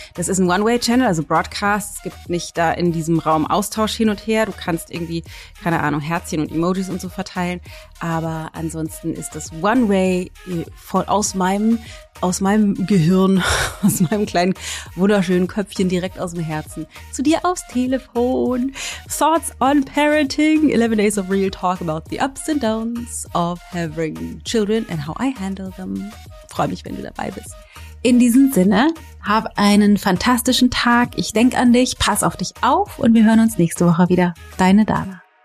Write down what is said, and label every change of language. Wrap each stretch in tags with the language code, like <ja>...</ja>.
<de>Das ist ein One-Way-Channel, also Broadcast. Es gibt nicht da in diesem Raum Austausch hin und her. Du kannst irgendwie, keine Ahnung, Herzchen und Emojis und so verteilen. Aber ansonsten ist das One-Way voll aus meinem Gehirn, aus meinem kleinen, wunderschönen Köpfchen, direkt aus dem Herzen zu dir aufs Telefon.</de> <en>Thoughts on parenting, 11 days of real talk about the ups and downs of having children and how I handle them.</en> <de>Freue mich, wenn du dabei bist. In diesem Sinne, hab einen fantastischen Tag. Ich denk an dich, pass auf dich auf und wir hören uns nächste Woche wieder. Deine Dana.</de>